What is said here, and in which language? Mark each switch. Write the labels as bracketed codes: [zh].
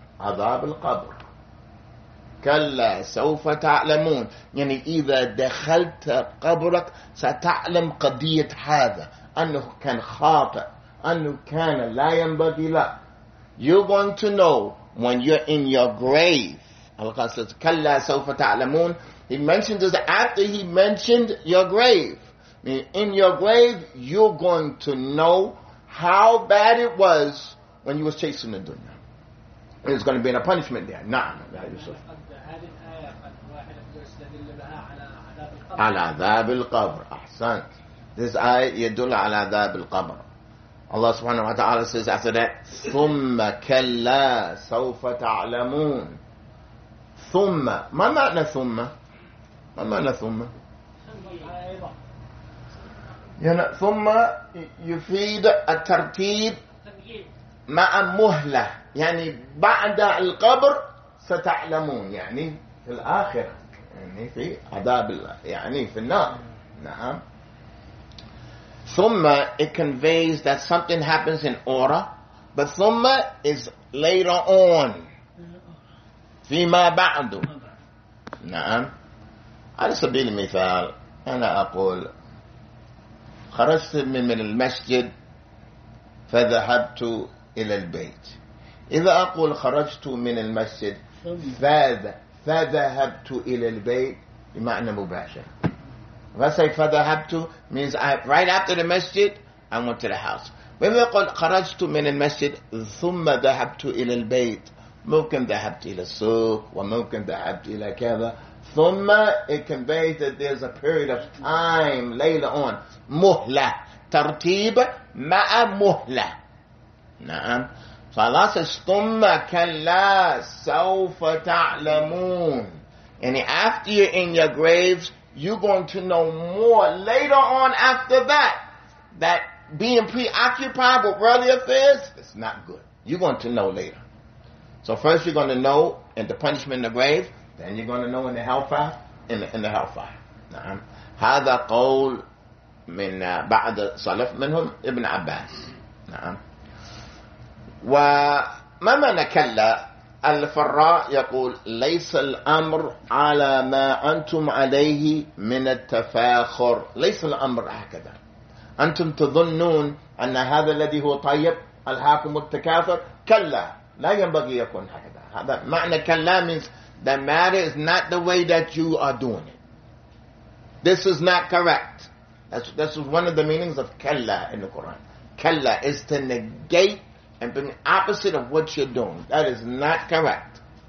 [ar] عذاب القبر كلا سوف تعلمون يعني إذا دخلت قبرك ستعلم قضية هذا أنه كان خاطئ أنه كان لا ينبغي لك. [en] You're going to know when you're in your grave. Allah says [ar] كلا سوف تعلمون. [en] He mentioned this after he mentioned your grave. In your grave you're going to know how bad it was when you were chasing the dunya. It's going to be in a punishment there. [ar] نعم يا يوسف. على عذاب القبر. أحسنت. [en] This ayah [ar] يدل على عذاب القبر. [en] Allah subhanahu wa ta'ala says after that, [ar] ثم كلا سوف تعلمون. ثم. ما معنى ثم؟ ما معنى ثم؟ يعني ثم يفيد الترتيب مع مهلة. يعني بعد القبر ستعلمون يعني في الآخرة يعني في عذاب الله يعني في النار. نعم. [en] ثم it conveys that something happens in order, but ثم is later on [ar] فيما بعد. نعم. على سبيل المثال أنا أقول خرجت من المسجد فذهبت إلى البيت. إذا أقول خرجت من المسجد فذهبت إلى البيت بمعنى مباشر. [en] If I say [ar] فذهبت [en] means I, right after the masjid I went to the house. [ar] وإذا أقول خرجت من المسجد ثم ذهبت إلى البيت ممكن ذهبت إلى السوق وممكن ذهبت إلى كذا. [en] ثم it conveys that there's a period of time later on. [ar] مهلة ترتيب مع مهلة. نعم. [en] So Allah says, [ar] ثُمَّ كَلَّا سَوْفَ تَعْلَمُونَ. [en] And after you're in your graves, you're going to know more later on after that. That being preoccupied with worldly affairs, it's not good. You're going to know later. So first you're going to know in the punishment in the grave. Then you're going to know in the hellfire. In the hellfire. [ar] نعم. هذا قول من بعد صلف منهم ابن عباس. نعم. وما معنى كلا؟ الفراء يقول ليس الأمر على ما أنتم عليه من التفاخر. ليس الأمر هكذا. أنتم تظنون أن هذا الذي هو طيب الحاكم التكاثر. كلا لا ينبغي يكون هكذا. هذا معنى كلا [en] means the matter is not the way that you are doing it. This is not correct. This is one of the meanings of كلا in the Quran. كلا is to negate and being opposite of what you're doing. That is not correct.